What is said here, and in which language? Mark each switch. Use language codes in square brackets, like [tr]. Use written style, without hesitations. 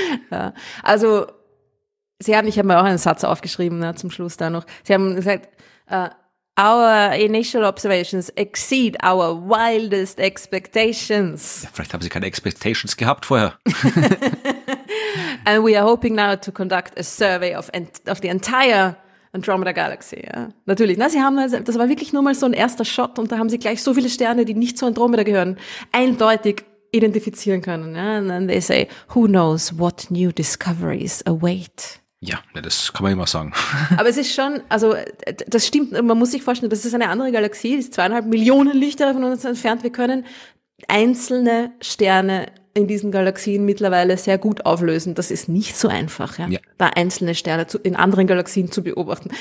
[de] Ja. Also, ich habe mir auch einen Satz aufgeschrieben, ne, zum Schluss da noch. Sie haben gesagt, [en] our initial observations exceed our wildest expectations. [de] Ja, vielleicht haben sie keine Expectations gehabt vorher. [en] And we are hoping now to conduct a survey of the entire Andromeda Galaxy, ja. [de] Natürlich, na, sie haben, das war wirklich nur mal so ein erster Shot und da haben sie gleich so viele Sterne, die nicht zu Andromeda gehören, eindeutig identifizieren können, ja. [en] And then they say, who knows what new discoveries await? [de] Ja, das kann man immer sagen. Aber es ist schon, also, das stimmt, man muss sich vorstellen, das ist eine andere Galaxie, die ist 2,5 Millionen Lichtjahre von uns entfernt. Wir können einzelne Sterne in diesen Galaxien mittlerweile sehr gut auflösen. Das ist nicht so einfach, ja. Da einzelne Sterne in anderen Galaxien zu beobachten.